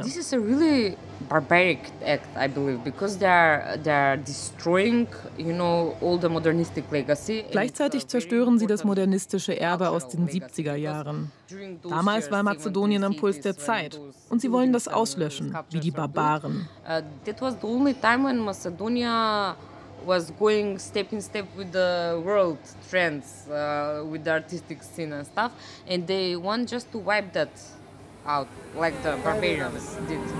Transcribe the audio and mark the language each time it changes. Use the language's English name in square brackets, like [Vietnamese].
[English] This is a really barbaric act, I believe, because they're destroying, you know, all the modernistic legacy. [German] Gleichzeitig zerstören sie das modernistische Erbe aus den 70er Jahren. Damals war Mazedonien am Puls der Zeit und sie wollen das auslöschen, wie die Barbaren. [English] That was the only time when Macedonia was going step in step with the world trends, with the artistic scene and stuff, and they want just to wipe that out, like the barbarians did.